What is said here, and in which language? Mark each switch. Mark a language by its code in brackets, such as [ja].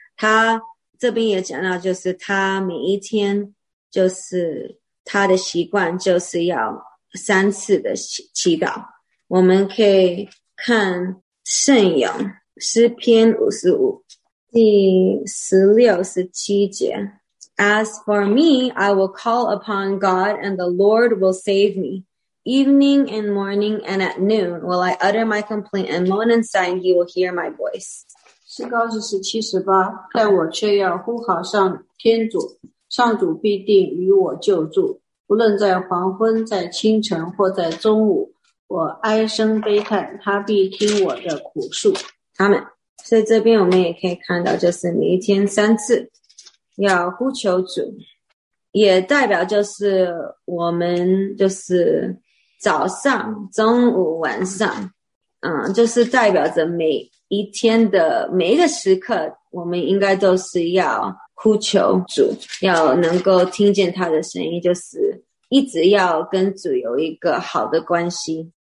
[zh] 他这边也讲到，就是他每一天就是他的习惯就是要三次的祈祷。我们可以看圣咏诗篇55第16、17节。 [en] As for me, I will call upon God and the Lord will save me. Evening and morning and at noon will I utter my complaint and moan and sigh and he will hear my voice. [zh] 诗高是78，但我却要呼号上天主，上主必定与我救助。不论在黄昏、在清晨或在中午，我哀声悲叹，他必听我的苦诉。阿们。所以这边我们也可以看到，就是每一天三次要呼求主，也代表就是我们就是早上、中午、晚上，就是代表着每一天的每一个时刻，我们应该都是要呼求主，要能够听见他的声音，就是一直要跟主有一个好的关系。